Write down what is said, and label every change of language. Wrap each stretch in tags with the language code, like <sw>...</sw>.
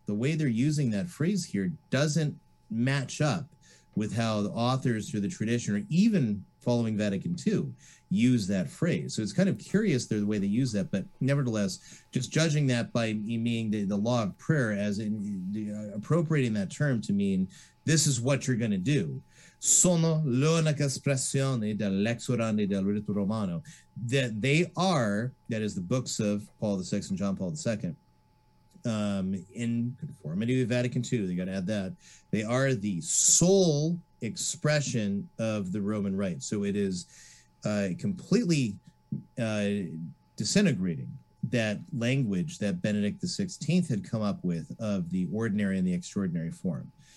<en>The way they're using that phrase here doesn't match up with how the authors through the tradition, or even following Vatican II, use that phrase. So it's kind of curious the way they use that, but nevertheless, just judging that by meaning the law of prayer, as in appropriating that term to mean this is what you're going to do.</en> <it>Sono l'unica espressione dell'ex orandi del rito romano.</it> <en>That they are, that is the books of Paul VI and John Paul II, in conformity with Vatican II, they got to add that, they are the sole expression of the Roman Rite. So it is completely disintegrating that language that Benedict XVI had come up with of the ordinary and the extraordinary form.</en>